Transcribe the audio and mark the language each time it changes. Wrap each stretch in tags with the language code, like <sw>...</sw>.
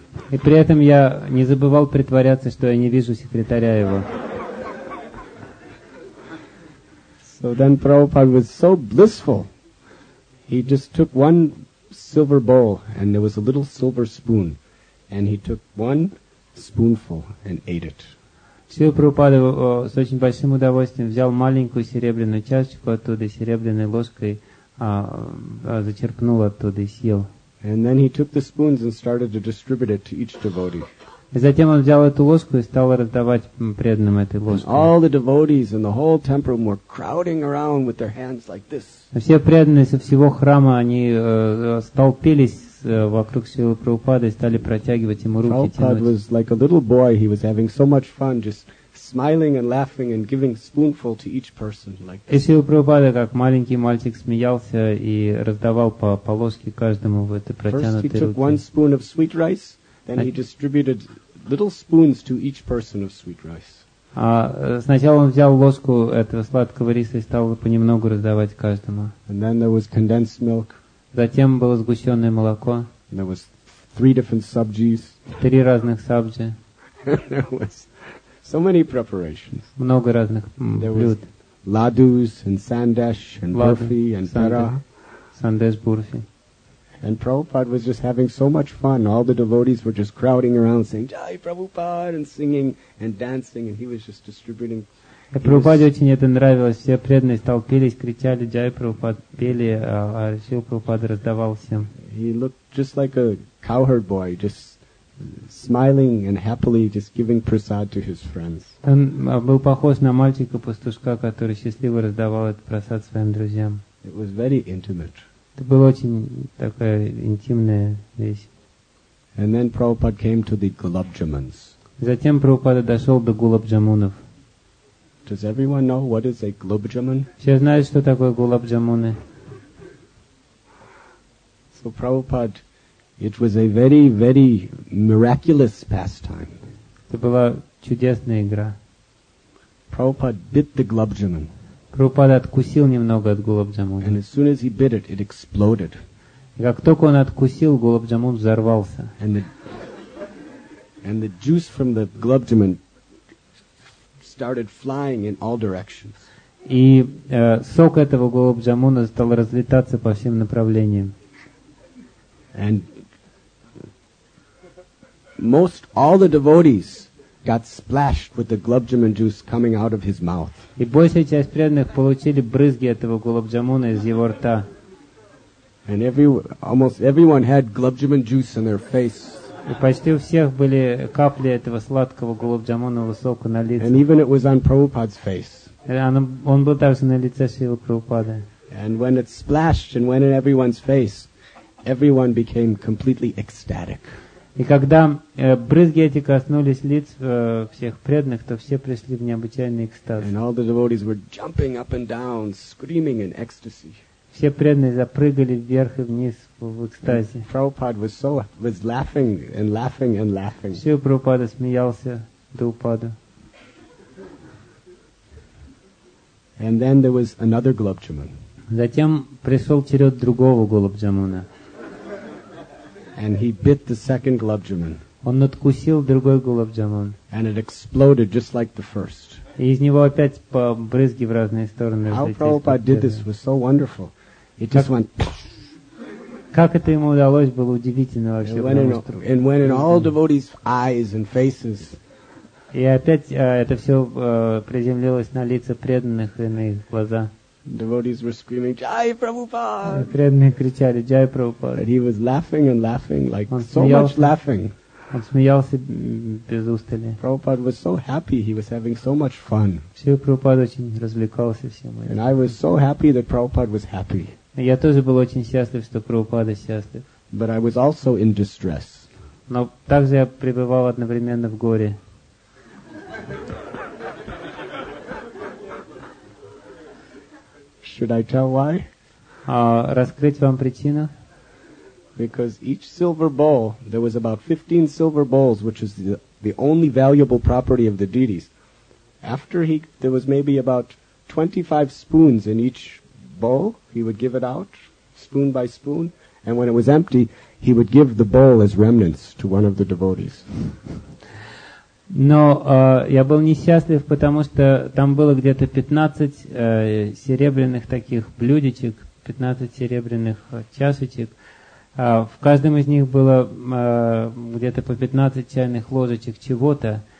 <ru>И при этом я не забывал притворяться, что я не вижу секретаря его.</ru> <en>So then Prabhupada was so blissful. He just took one silver bowl, and there was a little silver spoon, and he took one spoonful and ate it.</en> <ru>Шрила Прабхупада с очень большим удовольствием взял маленькую серебряную чашечку оттуда, серебряной ложкой, зачерпнул оттуда и съел.</ru> <en>And then he took the spoons and started to distribute it to each devotee.</en> <ru>И затем он взял эту ложку и стал раздавать преданным этой ложкой.</ru> <en>And all the devotees in the whole temple were crowding around with their hands like this.</en> <ru>Все преданные со всего храма, они столпились вокруг Шрилы Прабхупады и стали протягивать ему руки.</ru> <en>Prabhupada was like a little boy. He was having so much fun just smiling and laughing and giving spoonful to each person like this.</en> <ru>И Шрила Прабхупада, как маленький мальчик, смеялся и раздавал по ложке каждому в этой протянутой руке.</ru> <en>First he took one spoon of sweet rice, then he distributed little spoons to each person of sweet rice.</en> <ru>Сначала он взял ложку этого сладкого риса и стал понемногу раздавать каждому.</ru> <en>And then there was condensed milk.</en> <ru>Затем было сгущенное молоко.</ru> <en>There was three different subjis.</en> <ru>Три разных сабджи.</ru> <en>There was so many preparations.</en> <ru>Много разных блюд.</ru> <en>There was Ladus and Sandesh and Ladu, Burfi and Pera.</en> <ru>Sandesh Burfi.</ru> <en>And Prabhupada was just having so much fun. All the devotees were just crowding around saying, Jai Prabhupada, and singing and dancing, and he was just distributing.</en> <ru>Prabhupada очень это нравилось. Все преданные столпились, кричали, Jai Prabhupada, пели, а Шрила Прабхупада раздавал всем.</ru> <en>He looked just like a cowherd boy, just smiling and happily just giving prasad to his friends.</en> <ru>Он был похож на мальчика-пастушка, который счастливо раздавал этот прасад своим друзьям.</ru> <en>It was very intimate.</en> <ru>Это была очень такая интимная вещь.</ru> <en>And then Prabhupada came to the gulab jamuns.</en> <ru>Затем Прабхупада дошел до гулаб джамунов.</ru> <en>Does everyone know what is a gulab jamun?</en> <ru>Все знают, что такое гулаб джамуны.</ru> <en>So Prabhupada, it was a very, very miraculous pastime.</en> <ru>Это была чудесная игра.</ru> <en>Prabhupada bit the gulab jamun.</en> <ru>Прабхупада откусил немного от гулаб джамуна.</ru> <en>And as soon as he bit it, it exploded.</en> <ru>И как только он откусил, гулаб джамун взорвался.</ru> <en>And the juice from the gulab jamun started flying in all directions.</en> <ru>И сок этого гулаб джамуна стал разлетаться по всем направлениям.</ru> <en>And most all the devotees got splashed with the gulab jamun juice coming out of his mouth.</en> <ru>И большая часть преданных получили брызги этого гулаб джамуна из его рта.</ru> <en>And almost everyone had gulab jamun juice on their face.</en> <ru>И почти у всех были капли этого сладкого гулаб джамунового сока на лице.</ru> <en>And even it was on Prabhupada's face.</en> <ru>Он был также на лице Шрилы Прабхупады.</ru> <en>And when it splashed and went in everyone's face, everyone became completely ecstatic.</en> <ru>И когда брызги эти коснулись лиц всех преданных, то все пришли в необычайный экстаз.</ru> <en>And all the devotees were jumping up and down, screaming in ecstasy.</en> <ru>Все преданные запрыгали вверх и вниз в экстазе.</ru> <en>And Prabhupada was laughing and laughing and laughing.</en> <ru>Шрила Прабхупада смеялся до упаду.</ru> <en>And then there was another gulab jamun.</en> <ru>Затем пришел черед другого гулаб джамуна.</ru> <en>And he bit the second gulab jamun.</en> <ru>Он откусил другой гулаб джамун.</ru> <en>And it exploded just like the first.</en> <ru>И из него опять по брызги в разные стороны.</ru> <en>How Prabhupada did this was so wonderful. It just went.</en> <ru>Как это ему удалось, было удивительно вообще.</ru> <en>And went in all devotees' eyes and faces.</en> <ru>И опять это все приземлилось на лица преданных и на их глаза.</ru> <en>Devotees were screaming, Jai Prabhupada!</en> <ru>Преданные кричали, Jai Prabhupada!</ru> <en>And he was laughing and laughing, like so much laughing.</en> <ru>Он смеялся без устали.</ru> <en>Prabhupada was so happy, he was having so much fun.</en> <ru>Шрила Прабхупада очень развлекался всем.</ru> <en>And I was so happy that Prabhupada was happy.</en> <ru>Я тоже был очень счастлив, что Прабхупада счастлив.</ru> <en>But I was also in distress.</en> <ru>Но также я пребывал одновременно в горе.</ru> <en>Should I tell why?</en> <ru>Раскрыть вам причину?</ru> <en>Because each silver bowl, there was about 15 silver bowls, which is the only valuable property of the deities. There was maybe about 25 spoons in each bowl, he would give it out, spoon by spoon, and when it was empty, he would give the bowl as remnants to one of the devotees.</en> <ru>Но я был несчастлив, потому что там было где-то 15 серебряных таких блюдечек, 15 серебряных чашечек. В каждом из них было где-то по 15 чайных ложечек чего-то.</ru>